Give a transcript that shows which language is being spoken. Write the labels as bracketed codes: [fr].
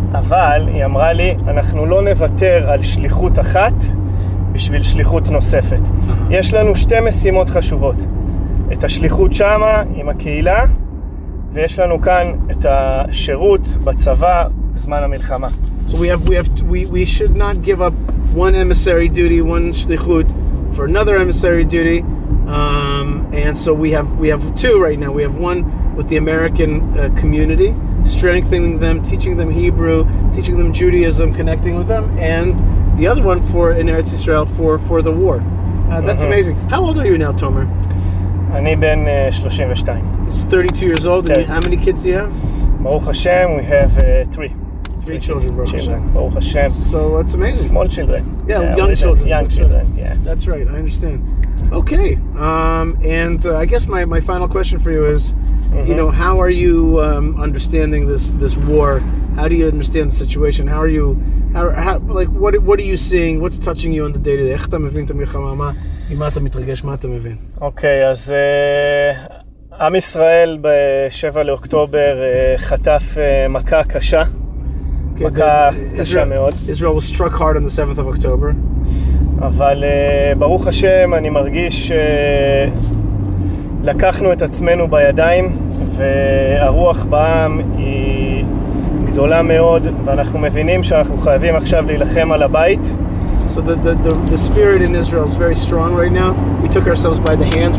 [he] אבל היא אמרה לי, אנחנו לא נוותר על שליחות אחת בשביל שליחות נוספת. יש לנו שתי משימות חשובות. את השליחות שמה עם הקהילה, ויש לנו כאן את השירות בצבא בזמן המלחמה. [en] So we should not give up one emissary duty, one shlichut, for another emissary duty, and so we have two right now. We have one with the American community, strengthening them, teaching them Hebrew, teaching them Judaism, connecting with them, and the other one for in Eretz Israel for the war. That's amazing. How old are you now, Tomer? [he] אני בן 32. [en] He's 32 years old. Okay. And how many kids do you have? Baruch Hashem, we have three. Three children, Baruch Hashem. So that's amazing. Small children. Young children. Yeah. That's right, I understand. Okay. I guess my final question for you is, you know, how are you understanding this war? How do you understand the situation? How are you, what are you seeing? What's touching you on the day-to-day? [he] איך אתה מבין את המלחמה? מה אתה מתרגש? מה אתה מבין? Okay, אז עם ישראל ב-7 לאוקטובר חטף מכה קשה. [en] Israel was struck hard on the 7th of October. [he] אבל ברוך השם אני מרגיש לקחנו את עצמנו בידיים והרוח בעם היא גדולה מאוד ואנחנו מבינים שאנחנו חייבים עכשיו להילחם על הבית. [en] So the spirit in Israel is very strong right now. We took ourselves by the hands.